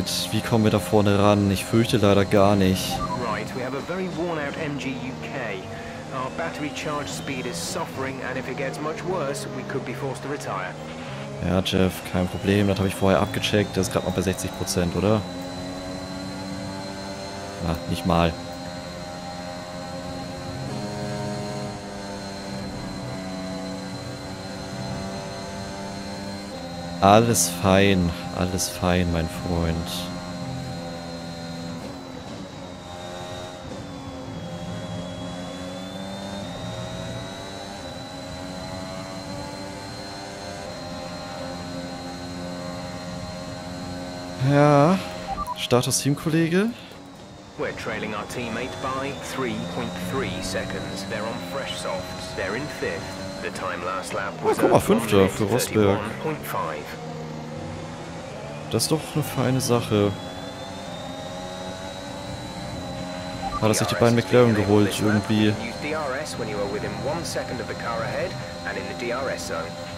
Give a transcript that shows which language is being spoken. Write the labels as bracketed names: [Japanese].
[German] Wie kommen wir da vorne ran? Ich fürchte leider gar nicht. [English] Right, we have a very worn out MG UK. Our battery charge speed is suffering and if it gets much worse, we could be forced to retire. [German] Ja, Jeff, kein Problem. Das habe ich vorher abgecheckt. Das ist gerade mal bei 60%, oder? Na, nicht mal. Alles fein, mein Freund. Ja, Status Teamkollege. [English] We're trailing our teammate by 3.3 seconds. They're on fresh softs. They're in fifth. The time last lap was 5. [German] für Rosberg. Das ist doch eine feine Sache. Hat er sich die beiden McLaren geholt irgendwie? [English] Use DRS when you are within 1 second of the car ahead and in the DRS zone.